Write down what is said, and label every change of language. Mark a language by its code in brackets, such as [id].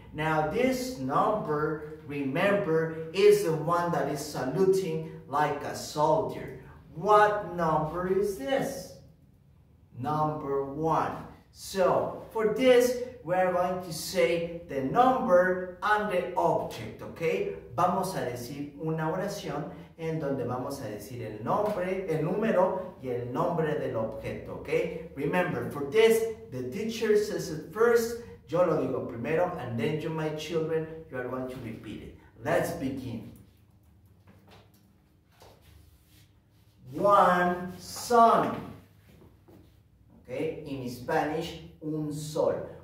[en] Now, this number, remember, is the one that is saluting like a soldier. What number is this? Number one. So, for this, we are going to say the number and the object, okay? [es] Vamos a decir una oración en donde vamos a decir el nombre, el número y el nombre del objeto, okay? [en] Remember, for this, the teacher says it first, [es] yo lo digo primero, [en] and then you, my children, you are going to repeat it. Let's begin. One sun, okay, in Spanish, [es] un sol.